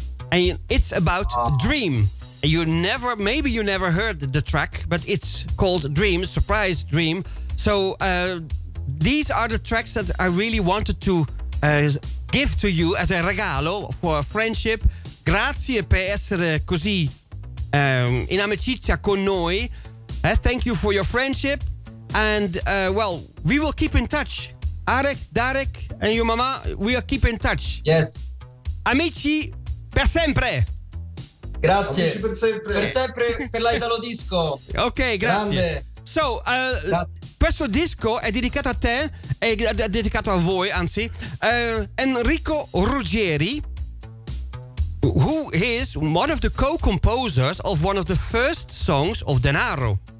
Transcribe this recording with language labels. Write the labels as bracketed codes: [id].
[en] And it's about Dream. You never, maybe you never heard the track, but it's called Dream, Surprise Dream. So these are the tracks that I really wanted to give to you as a regalo for friendship. [it] Grazie per essere così in amicizia con noi. [en] Thank you for your friendship. And well, we will keep in touch. Arek, Darek, and your mama, we will keep in touch. Yes. [it] Amici per sempre. Grazie. Amici per sempre. Per sempre per l'Italo Disco. Ok, grazie. Grande. [en] So, [it] grazie. Questo disco è dedicato a te, è dedicato a voi, anzi, [en] Enrico Ruggeri, who is one of the co-composers of one of the first songs of Denaro.